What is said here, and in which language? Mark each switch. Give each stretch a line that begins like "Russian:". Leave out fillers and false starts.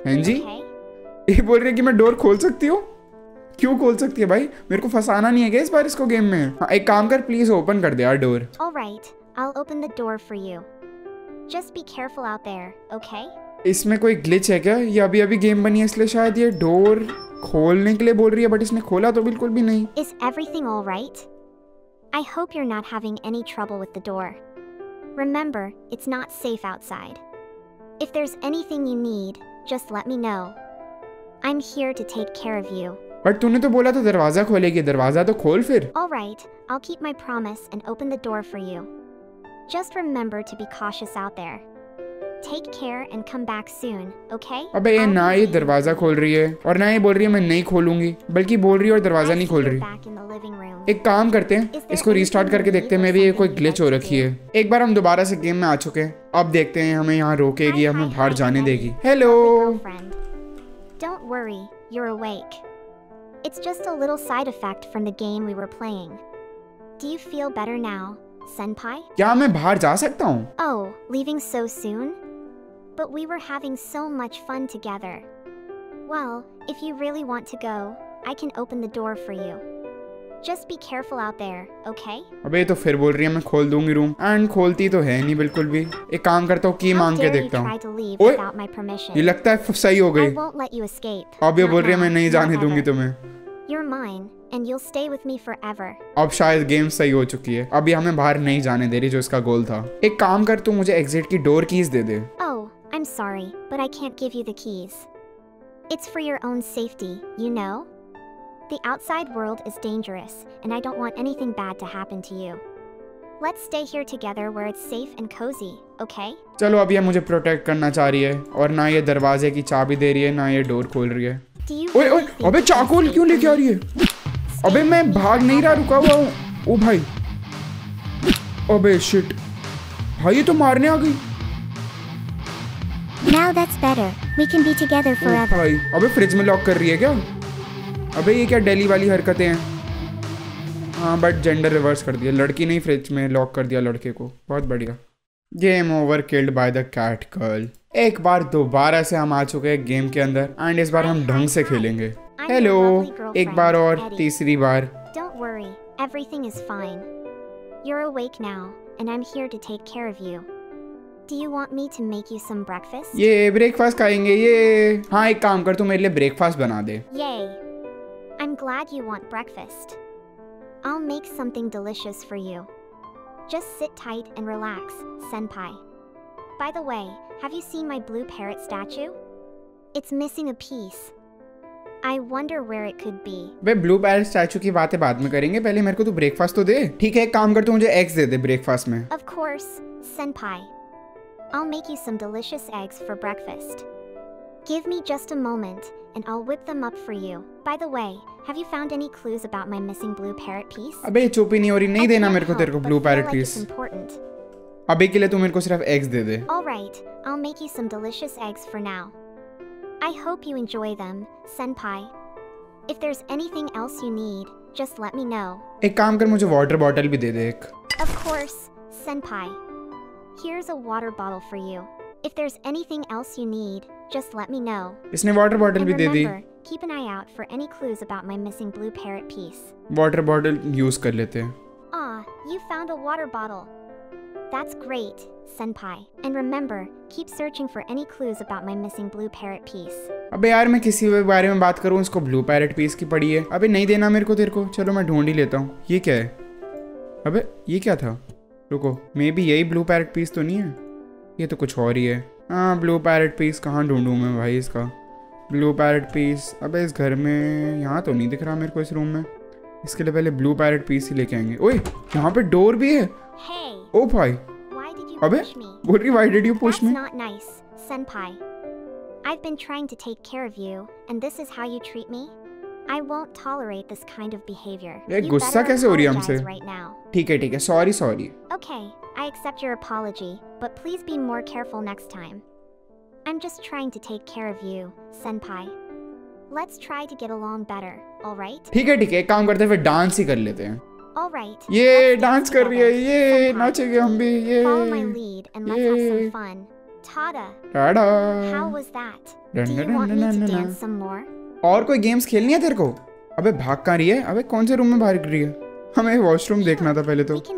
Hindi: हां जी, ये बोल रही है कि मैं डोर खोल सकती हूँ? क्यों खोल सकती है भाई, मेरे को फंसाना नहीं है गाइस इस बार इसको गेम में। एक काम कर प्लीज ओपन कर दे यार door.
English: Alright I will open the door for you, just be careful out there okay.
Hindi: इसमें कोई ग्लिच है क्या, ये अभी गेम बनी है इसलिए शायद ये डोर खोलने के लिए बोल रही है, बट इसने खोला तो बिल्कुल भी नहीं।
English: Is everything all right? I hope you're not having any trouble with the door. Remember, it's not safe outside. If there's anything you need, just let me know. I'm here to take care of you.
Hindi: But तूने तो बोला था दरवाजा खोलेगी, दरवाजा तो खोल फिर।
English: All right, I'll keep my promise and open the door for you. Just remember to be cautious out there. Take care and come back soon, okay?
Hindi: अबे ये ना ये दरवाजा खोल रही है और ना ये बोल रही है मैं नहीं खोलूंगी, बल्कि बोल रही है और दरवाजा नहीं खोल रही। एक काम करते हैं इसको रिस्टार्ट करके देखते हैं, मे बी ये कोई ग्लिच हो रखी है। एक बार हम दोबारा से गेम में आ चुके हैं, अब देखते हैं हमें यहाँ रोकेगी या हमें बाहर जाने देगी।
English: Hello, don't worry you are awake, it's just a little side effect from the game we were playing. Do you feel better now सेनपाई?
Hindi: क्या मैं बाहर जा सकता हूँ?
English: Oh leaving so soon? But we were having so much fun together. Well, if you really want to go, I can open the door for you. Just be careful out there, okay?
Hindi: अबे ये तो फिर बोल रही है मैं खोल दूंगी रूम, एंड खोलती तो है नहीं बिल्कुल भी। एक काम करता हूँ की मांग के देखता हूँ। ये लगता है सही हो गई।
English: I won't let you escape.
Hindi: अब ये बोल रही है मैं नहीं जाने दूंगी तुम्हें।
English: You're mine, and you'll stay with me forever.
Hindi: अब शायद गेम सही हो चुकी है, अभी हमें बाहर नहीं जाने दे रही जो इसका गोल था। एक काम कर तू मुझे एग्जिट की door keys दे दे।
English: I'm sorry, but I can't give you the keys. It's for your own safety, you know? The outside world is dangerous, and I don't want anything bad to happen to you. Let's stay here together where it's safe and cozy, okay?
Hindi: चलो अभी ये मुझे protect करना चाह रही है, और ना ये दरवाजे की चाबी दे रही है, ना ये डोर खोल रही है। ओए ओए अबे चाकू क्यों लेके आ रही है? अबे मैं भाग नहीं रहा, रुका हुआ हूं। ओ भाई। अबे शिट। भाई ये तो मारने आ गई।
English: Now that's better. We can be together forever.
Hindi: भाई, अबे फ्रिज में लॉक कर रही है क्या? अबे ये क्या डेली वाली हरकतें हैं? हाँ बट जेंडर रिवर्स कर दिया, लड़की नहीं फ्रिज में लॉक कर दिया लड़के को, बहुत बढ़िया।
English: Game over killed by the cat girl.
Hindi: एक बार दोबारा से हम आ चुके हैं गेम के अंदर एंड इस बार हम ढंग से खेलेंगे। हेलो, एक बार और, तीसरी बार।
English: Don't worry, everything is fine, you are awake now and I am here to take care of you. Do you want me to make you some breakfast?
Hindi: ये ब्रेकफास्ट खाएंगे ये। हाँ एक काम कर, तू मेरे लिए ब्रेकफास्ट बना दे।
English: Yay! I'm glad you want breakfast. I'll make something delicious for you. Just sit tight and relax, senpai. By the way, have you seen my blue parrot statue? It's missing a piece. I wonder where it could be.
Hindi: Bay blue parrot statue की बातें बाद में करेंगे, पहले मेरे को तू breakfast तो दे। ठीक है, एक काम कर, तू मुझे एग्स दे दे ब्रेकफास्ट में।
English: Of course, senpai. I'll make you some delicious eggs for breakfast. Give me just a moment, and I'll whip them up for you. By the way, have you found any clues about my missing blue parrot piece?
Hindi: अबे चुप्पी नहीं हो रही, नहीं देना मेरे को तेरे को blue parrot piece. अबे के लिए तू मेरे को सिर्फ eggs दे दे.
English: All right, I'll make you some delicious eggs for now. I hope you enjoy them, senpai. If there's anything else you need, just let me know.
Hindi: एक काम कर, मुझे water bottle भी दे दे एक.
English: Of course, senpai. Here's a water bottle for you. If there's anything else you need, just let me know.
Hindi: इसने water bottle भी दे दी।
English: Keep an eye out for any clues about my missing blue parrot piece.
Hindi: Water bottle use कर लेते हैं।
English: Ah, you found a water bottle. That's great, senpai. And remember, keep searching for any clues about my missing blue parrot piece.
Hindi: अबे यार मैं किसी के बारे में बात करूं, इसको ब्लू पैरेट पीस की पड़ी है। अबे नहीं देना मेरे को तेरे को। चलो मैं ढूंढ ही लेता हूं। ये क्या है? अबे ये क्या था? रुको, मे बी यही ब्लू पैरेट पीस तो नहीं है, ये तो कुछ और ही है। हाँ ब्लू पैरेट पीस कहाँ ढूंढूँ मैं भाई इसका, ब्लू पैरेट पीस। अबे इस घर में, यहाँ तो नहीं दिख रहा मेरे को इस रूम में। इसके लिए पहले ब्लू पैरेट पीस ही लेके आएंगे। ओए यहाँ पे डोर भी है।
English: hey,
Hindi: ओ भाई, अबे बोल रही,
English: Why did you push me? Not nice सेनपाई, I have been trying to take care of you and this is how you treat me. I won't tolerate this kind of behavior.
Hindi: ये गुस्सा कैसे हो रही है हमसे? ठीक है ठीक है, sorry sorry.
English: Okay, I accept your apology, but please be more careful next time. I'm just trying to take care of you, senpai. Let's try to get along better, all right?
Hindi: ठीक है, एक काम करते हैं, फिर dance ही कर लेते हैं।
English: All right.
Hindi: ये डांस कर रही है, ये नाचेंगे हम भी, ये।
English: Follow my lead and let's have some fun. Tada. Tada. How was that? Do you want me to dance some more?
Hindi: और कोई गेम्स खेलनी है तेरे को? अबे भाग कहाँ रही है? अबे कौन से रूम में भाग रही है? हमें वॉशरूम देखना था पहले तो।